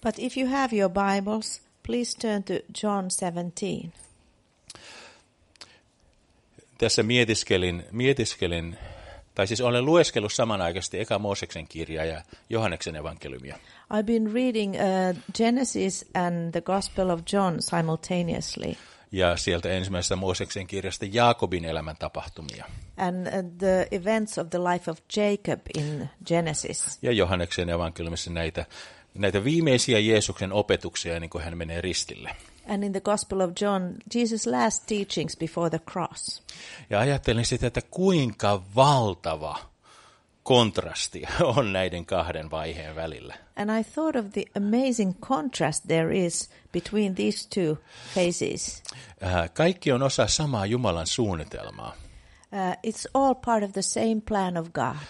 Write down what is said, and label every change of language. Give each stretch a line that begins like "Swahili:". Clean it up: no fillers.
English: But if you have your Bibles, please turn to John 17.
Finnish: Tässä mietiskelin, tai siis olen lueskellut samanaikaisesti Eka Mooseksen kirjaa ja Johanneksen evankeliumia.
English: I've been reading Genesis and the Gospel of John simultaneously.
Finnish: Ja sieltä ensimmäisestä Mooseksen kirjasta Jaakobin elämän tapahtumia.
English: And the events of the life of Jacob in Genesis.
Finnish: Ja Johanneksen evankeliumissa näitä viimeisiä Jeesuksen opetuksia, niin kuin hän menee ristille.
English: And in the Gospel of John, Jesus' last teachings before the cross.
Finnish: Ja ajattelin sitä, että kuinka valtava kontrasti on näiden kahden vaiheen välillä.
English: And I thought of the amazing contrast there is between these two phases.
Finnish: Kaikki on osa samaa Jumalan suunnitelmaa.
English: It's all part of the same plan of God.